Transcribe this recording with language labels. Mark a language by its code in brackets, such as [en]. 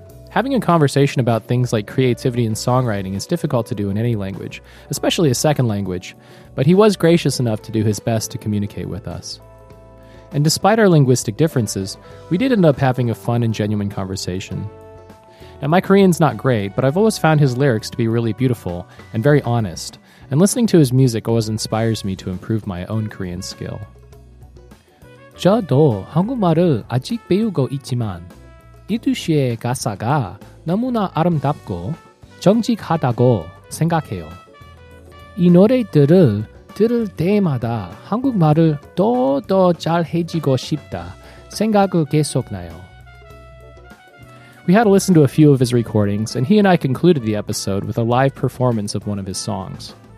[en] Having a conversation about things like creativity and songwriting is difficult to do in any language, especially a second language, but he was gracious enough to do his best to communicate with us. And despite our linguistic differences, we did end up having a fun and genuine conversation. Now, my Korean's not great, but I've always found his lyrics to be really beautiful and very honest, and listening to his music always inspires me to improve my own Korean skill. [ko] 저도 한국말을 아직 배우고 있지만 이두 씨의 가사가 너무나 아름답고 정직하다고 생각해요. 이 노래들을 들을 때마다 한국말을 더더 잘해지고 싶다 생각을 계속 나요. [en] We had to listen to a few of his recordings, and he and I concluded the episode with a live performance of one of his songs.